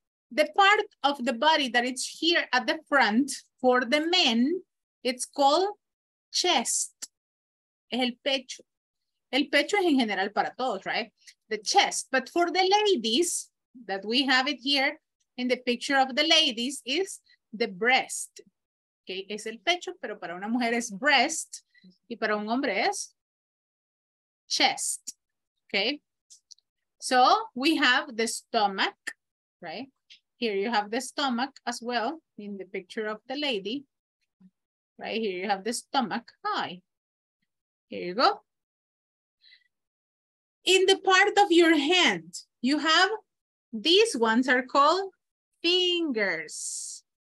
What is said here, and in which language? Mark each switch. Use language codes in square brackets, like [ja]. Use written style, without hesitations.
[en] The part of the body that it's here at the front for the men, it's called chest. [es] Es el pecho. El pecho es en general para todos, [en] right? The chest. But for the ladies, that we have it here in the picture of the ladies, is the breast. [es] Okay, es el pecho, pero para una mujer es breast y para un hombre es chest. [en] Okay, so we have the stomach, right? Here you have the stomach as well in the picture of the lady, right? Here you have the stomach. Hi. Here you go. In the part of your hand, you have, these ones are called fingers.